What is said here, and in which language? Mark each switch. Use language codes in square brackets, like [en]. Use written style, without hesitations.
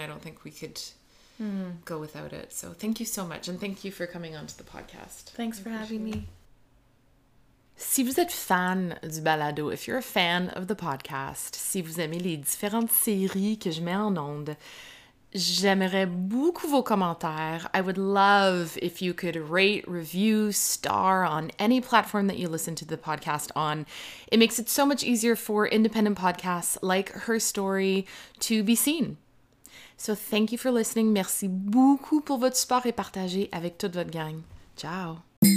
[en] I don't think we could go without it. So thank you so much, and thank you for coming onto the podcast. Thanks for having me. [fr] Si vous êtes fan du balado, [en] if you're a fan of the podcast, [fr] si vous aimez les différentes séries que je mets en onde, j'aimerais beaucoup vos commentaires. [en] I would love if you could rate, review, star on any platform that you listen to the podcast on. It makes it so much easier for independent podcasts like Her Story to be seen. So thank you for listening. [fr] Merci beaucoup pour votre support et partagé avec toute votre gang. [en] Ciao.